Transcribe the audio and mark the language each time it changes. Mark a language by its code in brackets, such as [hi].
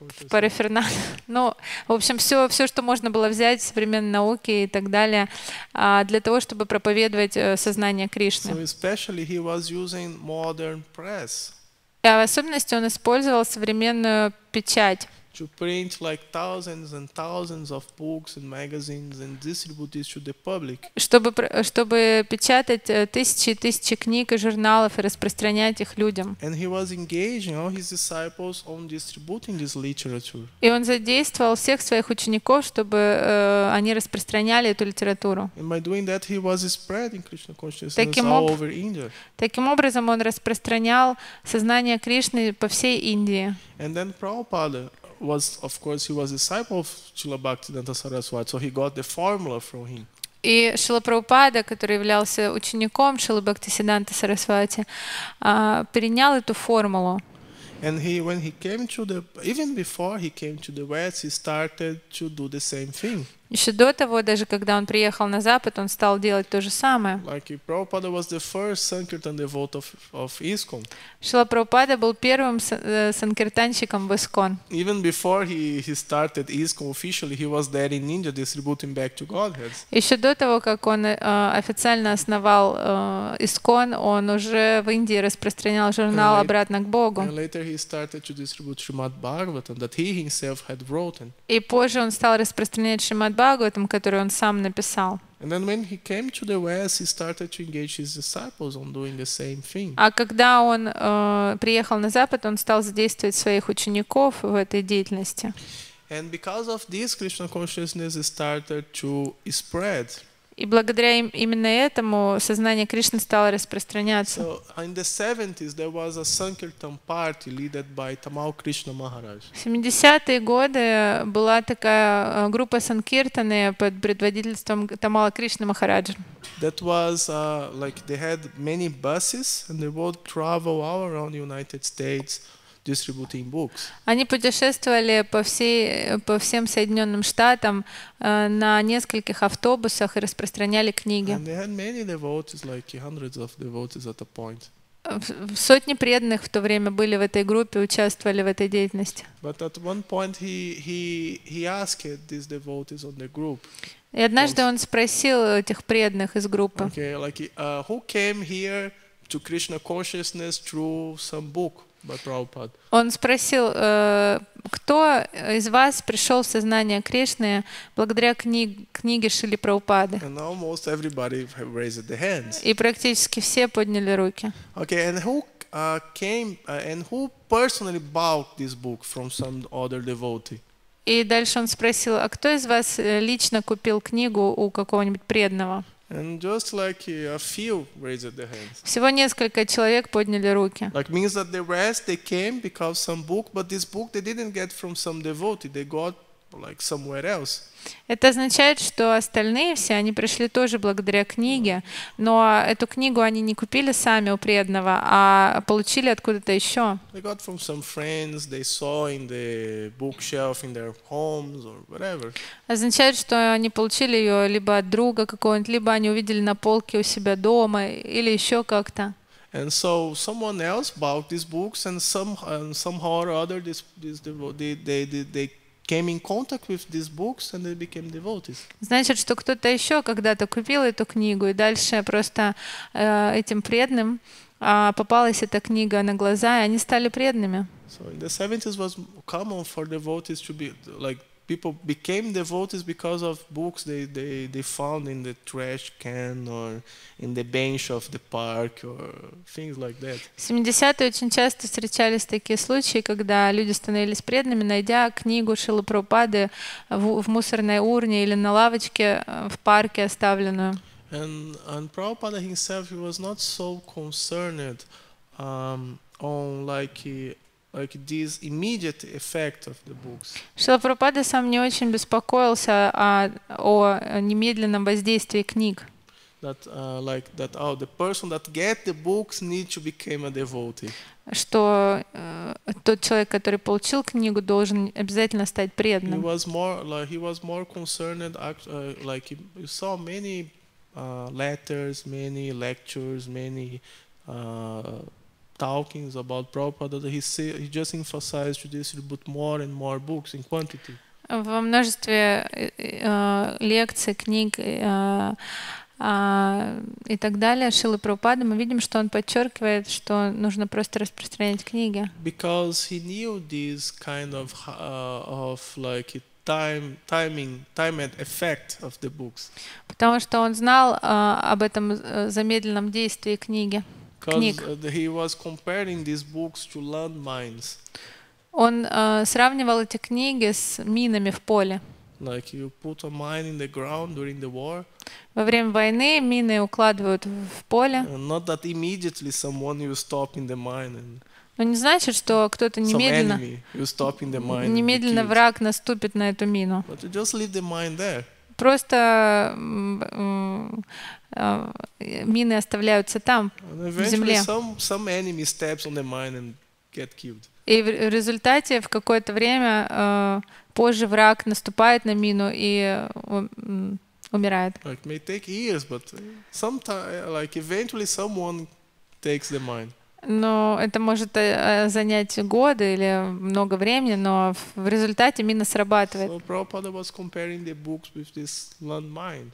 [ru] Параферналия. Ну, в общем, все, что можно было взять из современной науки и так далее, для того, чтобы проповедовать сознание Кришны. [en] So especially he was using modern press. [ru] А в особенности он использовал современную печать. [en] To print like thousands and thousands of books and magazines and distribute this to the public. [ru] Чтобы печатать тысячи и тысячи книг и журналов и распространять их людям. [en] And he was engaging all his disciples on distributing this literature. [ru] И он задействовал всех своих учеников, чтобы они распространяли эту литературу. [en] And by doing that, he was spreading Krishna consciousness all over India. [ru] Таким образом, он распространял сознание Кришны по всей Индии. [en] And then Prabhupada was, of course, he was a disciple of Śrīla Bhaktivedanta Saraswati, so he got the formula from him. [ru] И Шрила Прабхупада, который являлся учеником Шрилы Бхактисиддханты Сарасвати, принял эту формулу. [en] And he, when he came to the, even before he came to the West, he started to do the same thing. [ru] Еще до того, даже когда он приехал на Запад, он стал делать то же самое. [en] Like Prabhupada was the first Sankirtan devotee of ISKCON. [ru] Шрила Прабхупада был первым санкиртанщиком в ИСККОН. [en] Even before he started ISKCON officially, he was there in India distributing back to Godhead. [ru] Еще до того, как он официально основал ИСККОН, он уже в Индии распространял журнал обратно к Богу. [en] And later he started to distribute Shrimad Bhagavatam that he himself had written. [ru] И позже он стал распространять Шримад Бхагаватам, который он сам написал. [en] And then when he came to the West, he started to engage his disciples on doing the same thing. [ru] А когда он приехал на Запад, он стал задействовать своих учеников в этой деятельности. [en] And because of this, Krishna consciousness started to spread. [ru] И благодаря именно этому сознание Кришны стало распространяться. [en] So in the 70s there was a Sankirtan party led by Tamal Krishna Maharaj. [ru] В 70-е годы была такая группа санкиртаны под предводительством Тамала Кришны Махараджа. [en] That was like they had many buses and they would travel all around the United States distributing books. [ru] Они путешествовали по всем Соединенным Штатам на нескольких автобусах и распространяли книги. [en] And they had many devotees, like hundreds of devotees at a point. [ru] Сотни преданных в то время были в этой группе, участвовали в этой деятельности. [en] But at one point he asked these devotees on the group. [ru] И однажды он спросил этих преданных из группы. [en] Okay, like who came here to Krishna consciousness through some book? [ru] Он спросил, кто из вас пришел в сознание Кришны благодаря книге Шрилы Прабхупады? [en] And almost everybody raised their hands. [ru] И практически все подняли руки. [en] Okay, and who came and who personally bought this book from some other devotee? [ru] И дальше он спросил, а кто из вас лично купил книгу у какого-нибудь преданного? [en] And just like a few raised their hands. [ru] Всего несколько человек подняли руки. [en] Like means that the rest they came because some book, but this book they didn't get from some devotee, they got like somewhere else. [ru] Это означает, что остальные все они пришли тоже благодаря книге, но эту книгу они не купили сами у преданного, а получили откуда-то еще. [en] They got from some friends they saw in the bookshelf in their homes or whatever. [ru] Означает, что они получили ее либо от друга какого-нибудь, либо они увидели на полке у себя дома или еще как-то. [en] And so someone else bought these books and somehow or other they came in contact with these books and they became devotees. [ru] Значит, что кто-то еще когда-то купил эту книгу и дальше просто этим преданным попалась эта книга на глаза и они стали преданными. [en] So in the 70s was common for devotees to be like people became devotees because of books they found in the trash can or in the bench of the park or things like that. [ru] В 70-е очень часто встречались такие случаи, когда люди становились преданными, найдя книгу Шрилы Прабхупады в мусорной урне или на лавочке в парке оставленную. [en] And Prabhupada himself he was not so concerned on like this immediate effect of the books. [ru] Шрила Прабхупада сам не очень беспокоился о немедленном воздействии книг. [en] That like that oh the person that get the books need to become a devotee. [ru] Что тот человек, который получил книгу, должен обязательно стать преданным. [en] He was more concerned like you saw many letters, many lectures, many talking about Prabhupada, that he just emphasized to distribute more and more books in quantity. [ru] Во множестве лекций, книг и так далее Шрилы Прабхупады, мы видим, что он подчеркивает, что нужно просто распространять книги. [en] Because he knew this kind of of like time and effect of the books. [ru] Потому что он знал об этом замедленном действии книги. [en] He was comparing these books to landmines. [ru] Он сравнивал эти книги с минами в поле. [en] Like you put a mine in the ground during the war. [ru] Во время войны мины укладывают в поле. [en] Not that immediately someone you stop in the mine. [ru] Но не значит, что кто-то немедленно враг наступит на эту мину. [en] But you just leave the mine there. [ru] Просто мины оставляются там, в земле. [en] Some enemy steps on the mine and get killed. [ru] И в результате в какое-то время позже враг наступает на мину и умирает. [en] It may take years, but eventually someone takes the mine. [ru] Но это может занять годы или много времени, но в результате мина срабатывает. [en] So Prabhupada was comparing the books with this landmine.